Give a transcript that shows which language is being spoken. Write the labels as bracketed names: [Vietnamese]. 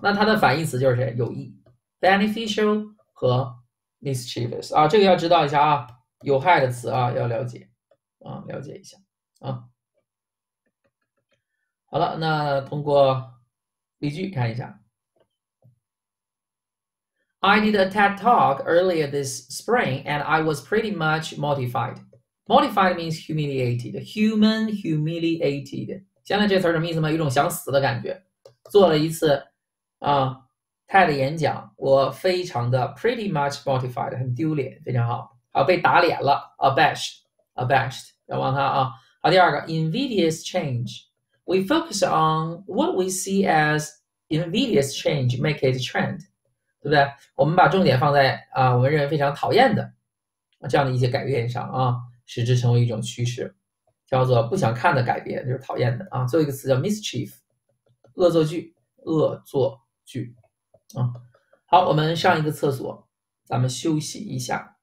[Chinese] 那它的反义词就是谁？有益，beneficial 和 mischievous 啊，这个要知道一下啊。有害的词啊，要了解啊，了解一下啊。好了，那通过例句看一下。 [English] I did a TED talk earlier this spring, and I was pretty much mortified. Mortified means humiliated, human humiliated。 [Chinese] 现在这词儿什么意思吗？有种想死的感觉。做了一次啊 TED 演讲，我非常的 [English] pretty much mortified， [Chinese] 很丢脸，非常好。啊，被打脸了，abashed，要忘它啊。 [English] 好，第二个，invidious change，we focus on what we see as invidious change make it trend， [Chinese] 对不对？我们把重点放在我们认为非常讨厌的这样的一些改变上啊，使之成为一种趋势，叫做不想看的改变，就是讨厌的啊。最后一个词叫 mischief，恶作剧，恶作剧啊。好，我们上一个厕所，咱们休息一下。